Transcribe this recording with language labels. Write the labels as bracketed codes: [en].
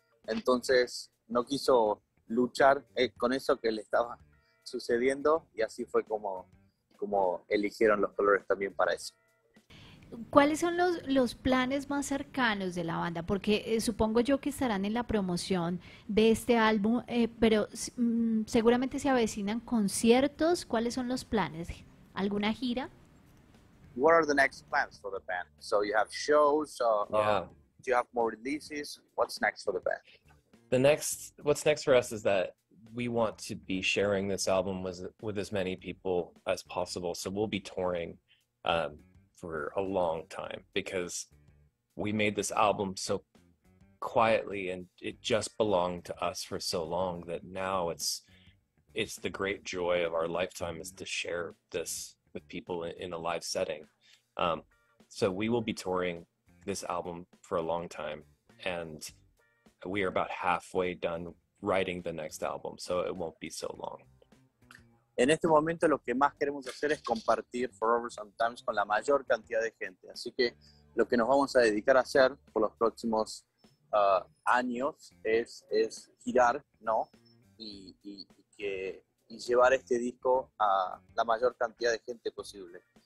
[es] Entonces no quiso luchar con eso que le estaba sucediendo y así fue como eligieron los colores también para eso. ¿Cuáles son los planes más cercanos de la banda? Porque supongo yo que estarán en la promoción de este álbum, pero seguramente se avecinan conciertos. ¿Cuáles son los planes? ¿Alguna gira? [en] What are the next plans for the band? So you have shows, do you have more releases? What's next for the band? What's next for us is that we want to be sharing this album with as many people as possible. So we'll be touring for a long time because we made this album so quietly and it just belonged to us for so long that now it's it's the great joy of our lifetime is to share this with people in a live setting. So we will be touring this album for a long time, and we are about halfway done writing the next album, so it won't be so long. [es] En este momento lo que más queremos hacer es compartir Forever Sometimes con la mayor cantidad de gente. Así que lo que nos vamos a dedicar a hacer por los próximos años es girar, ¿no? Y llevar este disco a la mayor cantidad de gente posible.